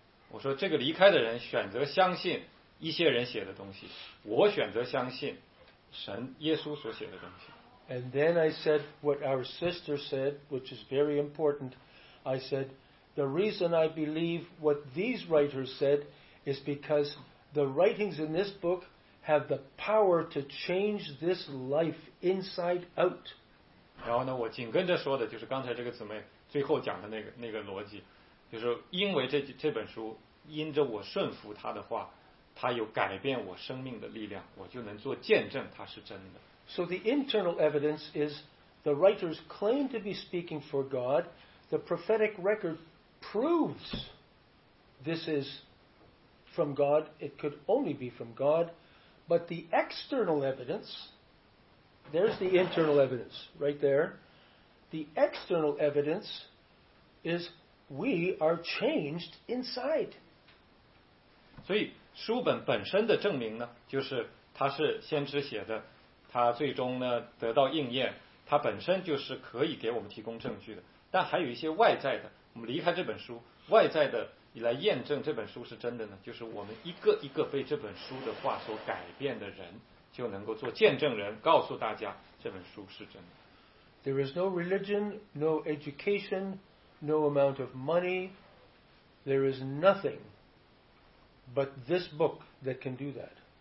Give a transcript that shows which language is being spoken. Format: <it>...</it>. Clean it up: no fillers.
<zh>我说这个离开的人选择相信一些人写的东西，我选择相信神耶稣所写的东西。</zh> <en>And then I said what our sister said, which is very important. I said, "The reason I believe what these writers said is because the writings in this book have the power to change this life inside out.</en> <zh>然后呢，我紧跟着说的就是刚才这个姊妹最后讲的那个逻辑，就是因为这本书，因着我顺服他的话，他有改变我生命的力量，我就能做见证他是真的。</zh> <en>So the internal evidence is the writer's claim to be speaking for God. The prophetic record proves this is from God. It could only be from God. But the external evidence, there's the internal evidence right there. The external evidence is we are changed inside.</en> <zh>所以书本本身的证明呢，就是它是先知写的，它最终呢得到应验，它本身就是可以给我们提供证据的。但还有一些外在的，我们离开这本书，外在的以来验证这本书是真的呢，就是我们一个一个被这本书的话所改变的人，就能够做见证人，告诉大家这本书是真的。</zh> <en>There is no religion, no education, no amount of money, there is nothing but this book that can do that.</en>